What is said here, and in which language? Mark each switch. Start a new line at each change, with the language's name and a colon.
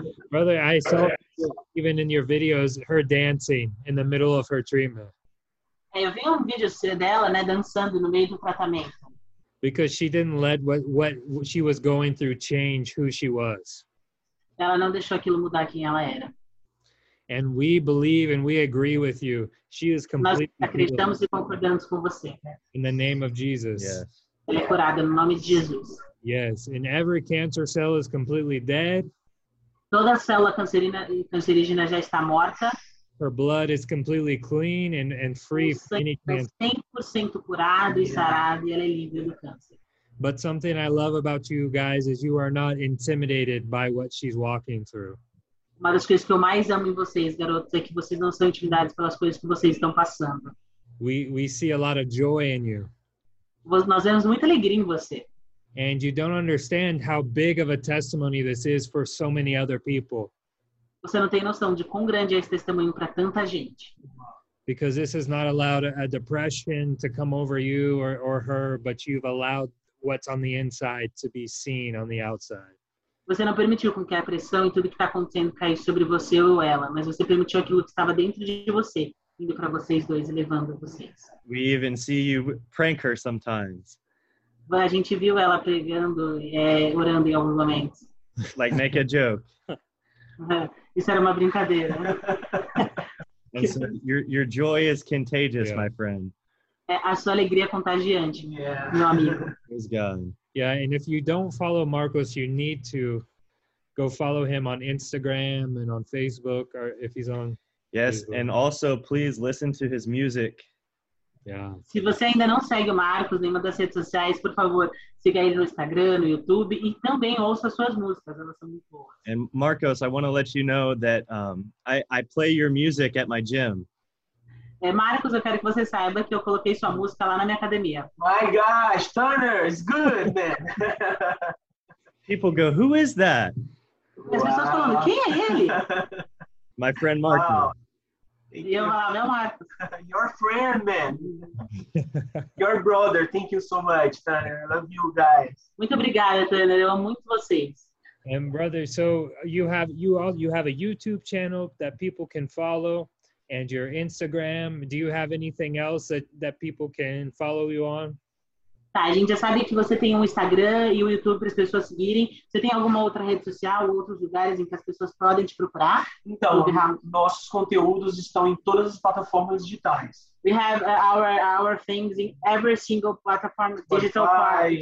English: Brother, I saw even in your videos her dancing in the middle of her treatment.
Portuguese: Eu vi vídeo dela, né, dançando no meio do tratamento.
English: Because she didn't let what she was going through change who she was.
Portuguese: Ela não deixou aquilo mudar quem ela era.
English: And we believe and we agree with you. She is completely
Portuguese: nós acreditamos e concordamos com você.
English: In the name of Jesus. Yes.
Portuguese: Ele é curado no nome de Jesus.
English: Yes, and every cancer cell is completely dead.
Portuguese: Toda célula cancerígena já está morta.
English: Her blood is completely clean and free from any cancer.
Portuguese: 100% curado e sarado, e ela é livre do câncer.
English: But something I love about you guys is you are not intimidated by what she's walking through.
Portuguese: Uma das coisas que eu mais amo em vocês, garotos, é que vocês não são intimidados pelas coisas que vocês estão passando.
English: We see a lot of joy in you.
Portuguese: Nós vemos muita alegria em você.
English: and you don't understand how big of a testimony this is for so many other people.
Portuguese: Você não tem noção de quão grande é esse testemunho para tanta gente.
English: Because this has not allowed a depression to come over you or her, but you've allowed what's on the inside to be seen on the outside.
Portuguese: Você não permitiu com que a pressão e tudo que está acontecendo caia sobre você ou ela, mas você permitiu aquilo que estava dentro de você, indo para vocês dois e levando vocês.
English: We even see you prank her sometimes.
Portuguese: A gente viu ela pregando, orando em alguns momentos.
English: Like make a joke.
Portuguese: Isso era uma brincadeira.
English: And so your joy is contagious, yeah. My friend.
Portuguese: A sua alegria é contagiante, meu amigo.
English: Praise God. Yeah, and if you don't follow Marcos, you need to go follow him on Instagram and on Facebook, or if he's on. Yes, Facebook. And also please listen to his music. Yeah.
Portuguese: Se você ainda não segue o Marcos em uma das redes sociais, por favor, siga ele no Instagram, no YouTube, e também ouça suas músicas, elas são muito boas.
English: And Marcos, I want to let you know that I play your music at my gym.
Portuguese: Marcos, eu quero que você saiba que eu coloquei sua música lá na minha academia.
English: My gosh, Turner, it's good, man. People go, who is that?
Portuguese: Wow. As pessoas falando, quem é ele?
English: My friend Marcos. Wow.
Portuguese: E
English: you.
Portuguese: Eu falo, meu Marcos.
English: Your friend, man. Your brother, thank you so much, Turner. I love you guys.
Portuguese: Muito obrigada, Turner. Eu amo muito vocês.
English: And brother, so you have a YouTube channel that people can follow. And your Instagram, do you have anything else that people can follow you on?
Portuguese: Tá, a gente já sabe que você tem um Instagram e o YouTube para as pessoas seguirem. Você tem alguma outra rede social, outros lugares em que as pessoas podem te procurar? Então, nossos conteúdos estão em todas as plataformas digitais.
English: We have our things in every single platform, digital platform.